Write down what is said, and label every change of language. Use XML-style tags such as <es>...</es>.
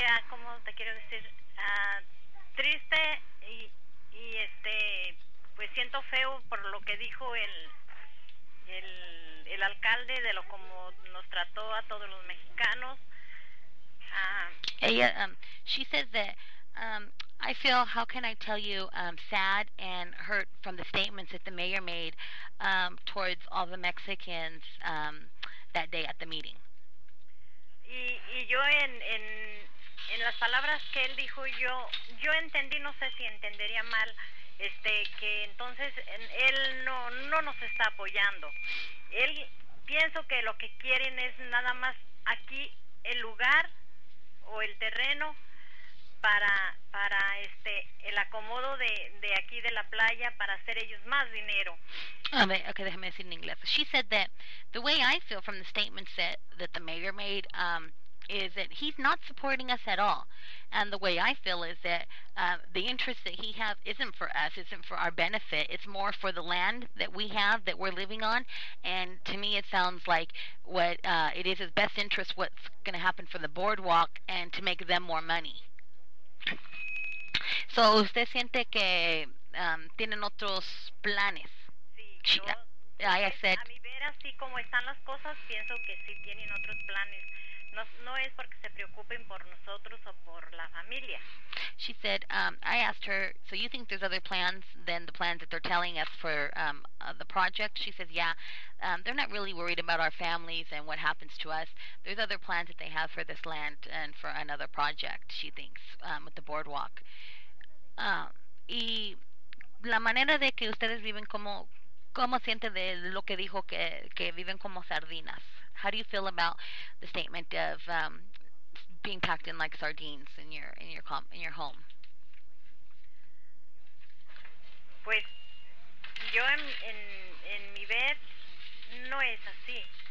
<es>sea, como te quiero decir, triste y este, pues siento feo por lo que dijo el alcalde, de lo como nos trató a todos los mexicanos. Ella,</es> <en>she says that, I feel, how can I tell you, sad and hurt from the statements that the mayor made towards all the Mexicans that day at the meeting.</en> <es>Y yo en las palabras que él dijo, yo entendí, no sé si entendería mal, este, que entonces él no nos está apoyando. Él, pienso que lo que quieren es nada más aquí el lugar o el terreno para este, el acomodo de aquí de la playa, para hacer ellos más dinero. Okay, déjame decir en inglés.</es> <en>She said that the way I feel from the statements that the mayor made is that he's not supporting us at all. And the way I feel is that the interest that he has isn't for us, isn't for our benefit. It's more for the land that we have, that we're living on. And to me, it sounds like what it is his best interest, what's going to happen for the boardwalk and to make them more money.</en> <es>So, usted siente que tienen otros planes. Sí, yo,</es> <en>I said,</en> <es>a mi ver, así como están las cosas, pienso que sí tienen otros planes. No es porque se preocupen por nosotros o por la familia.</es> <en>She said, I asked her, so you think there's other plans than the plans that they're telling us for the project? She says, yeah, they're not really worried about our families and what happens to us. There's other plans that they have for this land and for another project, she thinks, with the boardwalk.</en> <es>Y la manera de que ustedes viven, ¿cómo siente de lo que dijo que viven como sardinas?</es> <en>How do you feel about the statement of being packed in like sardines in your home?</en> <es>Pues yo en mi ver no es así.</es>